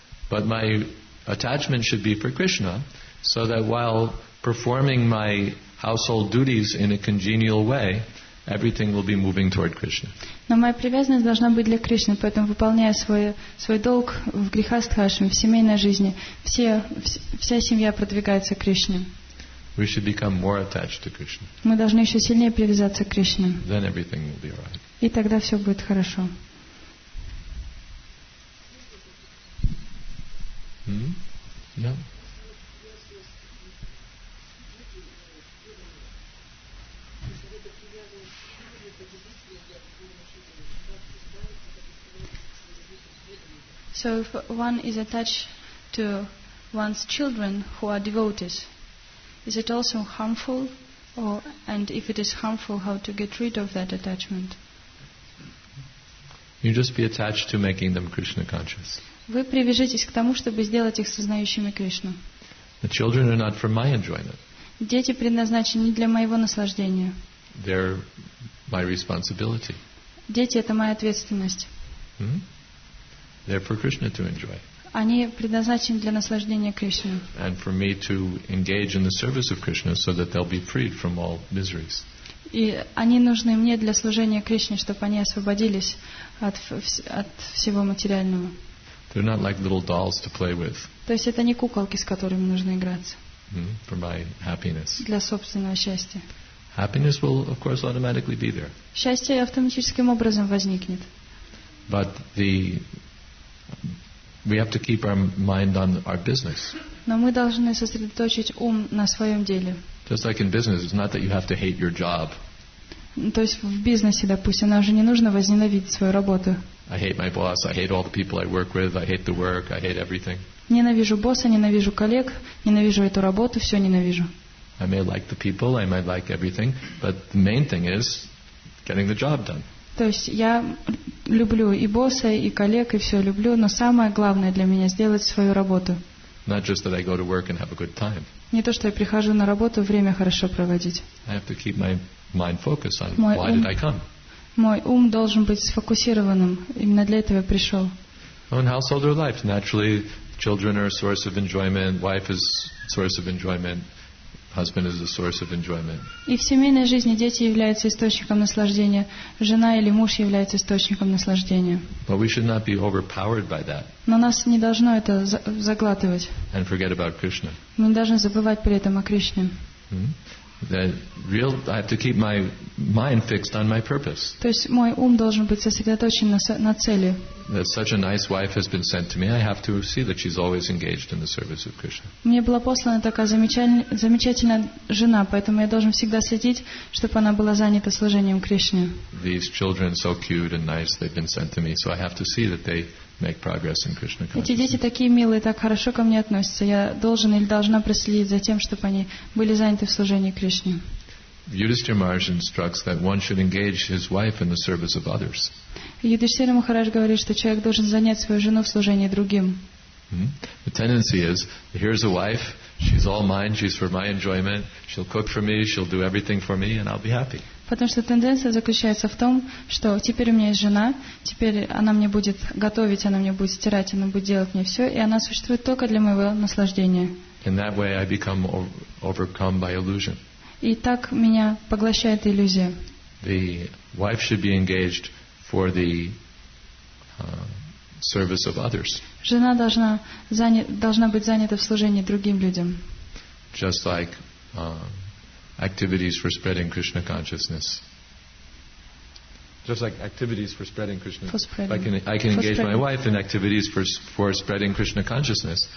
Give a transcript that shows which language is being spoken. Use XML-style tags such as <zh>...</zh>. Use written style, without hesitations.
<en>But my attachment should be for Krishna, so that while performing my household duties in a congenial way, everything will be moving toward Krishna.</en> <ru>Но моя привязанность должна быть для Кришны, поэтому выполняя свой долг в грихастхашме, в семейной жизни, вся семья продвигается к Кришне.</ru> <en>We should become more attached to Krishna.</en> <ru>Мы должны еще сильнее привязаться к Кришне.</ru> <en>Then everything will be right.</en> <ru>И тогда все будет хорошо.</ru> <en>So if one is attached to one's children who are devotees, is it also harmful? And if it is harmful, how to get rid of that attachment? You just be attached to making them Krishna conscious.</en> <ru>Вы привяжитесь к тому, чтобы сделать их сознающими Кришну.</ru> <en>The children are not for my enjoyment.</en> <ru>Дети предназначены не для моего наслаждения.</ru> <en>They're my responsibility.</en> <ru>Дети — это моя ответственность.</ru> <en>They're for Krishna to enjoy.</en> <ru>Они предназначены для наслаждения Кришны.</ru> <en>And for me to engage in the service of Krishna so that they'll be freed from all miseries.</en> <ru>И они нужны мне для служения Кришне, чтобы они освободились от всего материального.</ru> <en>They're not like little dolls to play with.</en> <ru>То есть это не куколки, с которыми нужно играться.</ru> <en>For my happiness.</en> <ru>Для собственного счастья.</ru> <en>Happiness will, of course, automatically be there.</en> <ru>Счастье автоматическим образом возникнет.</ru> <en>But the We have to keep our mind on our business.</en> <ru>Но мы должны сосредоточить ум на своем деле.</ru> <en>Just like in business, it's not that you have to hate your job.</en> <ru>То есть в бизнесе, допустим, нам же не нужно возненавидеть свою работу.</ru> <en>I hate my boss. I hate all the people I work with. I hate the work. I hate everything.</en> <ru>Ненавижу босса, ненавижу коллег, ненавижу эту работу, все ненавижу.</ru> <en>I may like the people, I might like everything, but the main thing is getting the job done.</en> <ru>То есть я люблю и босса, и коллег, и все люблю, но самое главное для меня сделать свою работу.</ru> <en>Not just that I go to work and have a good time.</en> <ru>Не то, что я прихожу на работу, время хорошо проводить.</ru> <en>I have to keep my mind focused on why did I come.</en> <ru>Мой ум должен быть сфокусированным. Именно для этого я пришел.</ru> <en>In householder life, naturally, children are a source of enjoyment, wife is a source of enjoyment, husband is a source of enjoyment.</en> <ru>И в семейной жизни дети являются источником наслаждения, жена или муж является источником наслаждения.</ru> <en>But we should not be overpowered by that.</en> <ru>Но нас не должно это заглатывать.</ru> <en>And forget about Krishna.</en> <ru>Мы не должны забывать при этом о Кришне.</ru> <en>I have to keep my mind fixed on my purpose.</en> <ru>То есть мой ум должен быть сосредоточен на цели.</ru> <en>That such a nice wife has been sent to me, I have to see that she's always engaged in the service of Krishna.</en> <ru>Мне была послана такая замечательная жена, поэтому я должен всегда следить, чтобы она была занята служением Кришне.</ru> <en>These children so cute and nice, they've been sent to me, so I have to see that they make progress in Krishna consciousness.</en> <ru>Эти дети такие милые, так хорошо ко мне относятся. Я должен или должна проследить за тем, чтобы они были заняты в служении Кришне.</ru> <en>Yudhishthira Maharaj instructs that one should engage his wife in the service of others.</en> <ru>Yudhishthira Maharaj говорит, что человек должен занять свою жену в служении другим.</ru> <en>The tendency is, here's a wife, she's all mine, she's for my enjoyment, she'll cook for me, she'll do everything for me, and I'll be happy.</en> <ru>Потому что тенденция заключается в том, что теперь у меня есть жена, теперь она мне будет готовить, она мне будет стирать, она будет делать мне все, и она существует только для моего наслаждения.</ru> <en>In that way I become overcome by illusion.</en> <ru>И так меня поглощает иллюзия.</ru> <en>The wife should be engaged for the service of others.</en> <ru>Жена должна быть занята в служении другим людям.</ru> <en>Just like activities for spreading Krishna consciousness. Just like activities for spreading Krishna. For spreading. I can engage my wife in activities for spreading Krishna consciousness.</en>